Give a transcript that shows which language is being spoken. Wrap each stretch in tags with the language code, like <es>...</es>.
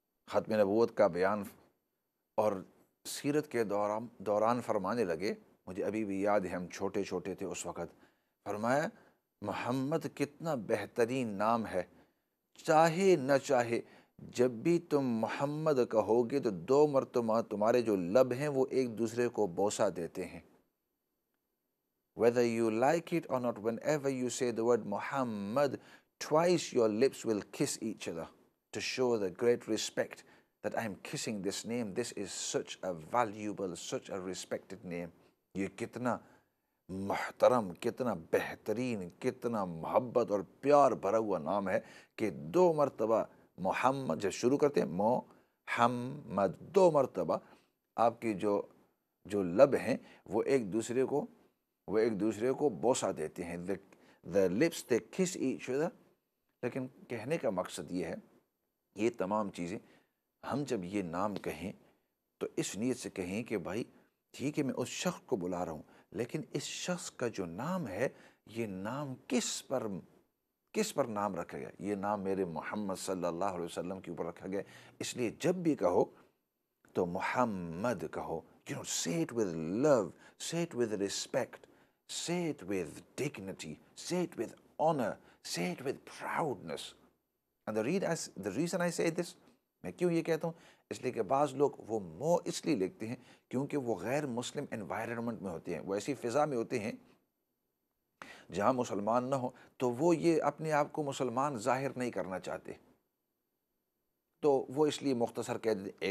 <ur>ختم نبوت کا بیان، اور سیرت کے دوران فرمانے لگے، مجھے ابھی بھی یاد ہے ہم چھوٹے چھوٹے تھے اس وقت، فرمایا محمد کتنا بہترین نام ہے، چاہے نہ چاہے جب بھی تم محمد کہو گے تو دو مرتبہ تمہارے جو لب ہیں وہ ایک دوسرے کو بوسا دیتے ہیں.</ur> <en>Whether you like it or not, whenever you say the word Muhammad, twice your lips will kiss each other to show the great respect that I am kissing this name. This is such a valuable, such a respected name.</en> <ur>یہ کتنا محترم، کتنا بہترین، کتنا محبت اور پیار بھرا ہوا نام ہے کہ دو مرتبہ محمد جب شروع کرتے ہیں، محمد دو مرتبہ آپ کی جو لب ہیں وہ ایک دوسرے کو بوسا دیتے ہیں.</ur> <en>The lips they kiss each other.</en> <ur>لیکن کہنے کا مقصد یہ ہے، یہ تمام چیزیں ہم جب یہ نام کہیں تو اس نیت سے کہیں کہ بھائی ٹھیک ہے میں اس شخص کو بلا رہا ہوں، لیکن اس شخص کا جو نام ہے یہ نام کس پر نام رکھا گیا، یہ نام میرے محمد صلی اللہ علیہ وسلم کے اوپر رکھا گیا. اس لیے جب بھی کہو تو محمد کہو.</ur> <en>You know, say it with love, say it with respect, say it with dignity, say it with honor, say it with proudness. And the reason I say this,</en> <ur>میں کیوں یہ کہتا ہوں, اس لیے کہ بعض لوگ وہ مو اس لیے لکھتے ہیں کیونکہ وہ غیر مسلم انوائرمنٹ میں ہوتے ہیں, وہ ایسی فضا میں ہوتے ہیں جہاں مسلمان نہ ہو, تو وہ یہ اپنے آپ کو مسلمان ظاہر نہیں کرنا چاہتے, تو وہ اس لیے مختصر کہہ دیتے ہیں.</ur>